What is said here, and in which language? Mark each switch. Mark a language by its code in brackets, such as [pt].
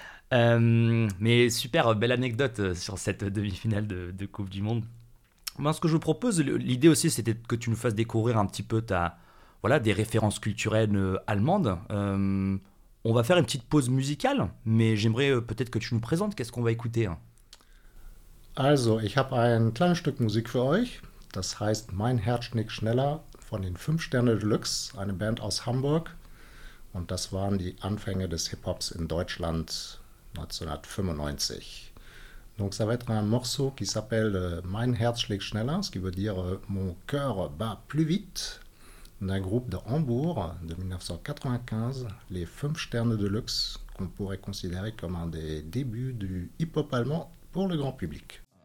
[fr] Mais super belle anecdote sur cette demi-finale de Coupe du Monde. Moi, ce que je vous propose, l'idée aussi, c'était que tu nous fasses découvrir un petit peu des références culturelles allemandes. On va faire une petite pause musicale, mais j'aimerais peut-être que tu nous présentes. Qu'est-ce qu'on va écouter? [de] Also, ich habe ein kleines Stück Musik für euch. Das heißt Mein Herz schlägt schneller von den 5 Sterne Deluxe, eine Band aus Hamburg. Und das waren die Anfänge des Hip-Hops in Deutschland 1995. [fr] Donc ça va être un morceau qui s'appelle Mein Herz schlägt schneller, ce qui veut dire Mon cœur bat plus vite, d'un groupe de Hambourg de 1995, les 5 Sterne Deluxe, qu'on pourrait considérer comme un des débuts du hip-hop allemand pour le grand public.